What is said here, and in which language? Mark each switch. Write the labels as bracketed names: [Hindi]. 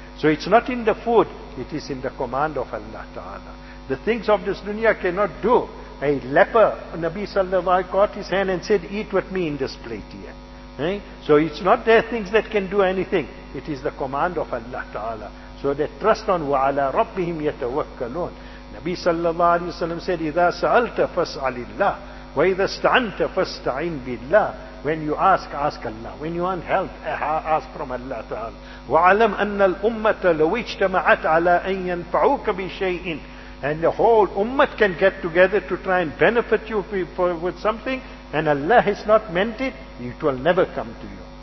[English] So it's not in the food, it is in the command of Allah Ta'ala. The things of this dunya cannot do. A leper, Nabi Sallallahu Alaihi Wasallam caught his hand and said, eat with me in this plate here. So it's not their things that can do anything. It is the command of Allah Ta'ala. So they trust on [Arabic] وَعَلَىٰ رَبِّهِمْ يَتَوَكَّلُونَ. [English] Nabi Sallallahu Alaihi Wasallam said, [Arabic] إِذَا سَأَلْتَ فَاسْعَلِ اللَّهِ وَإِذَا اسْتَعَنْتَ فَاسْتَعِنْ بِاللَّهِ. [English] When you ask, ask Allah. When you want help, ask from Allah Ta'ala. [Arabic] وَعَلَمْ أَنَّ الْأُمَّةَ لَوِ اجْتَمَعَتْ عَلَىٰ أَنْ يَنْفَعُوكَ بِشَيْءٍ. [English] And the whole ummah can get together to try and benefit you with something, and Allah has not meant it, it will never come to you.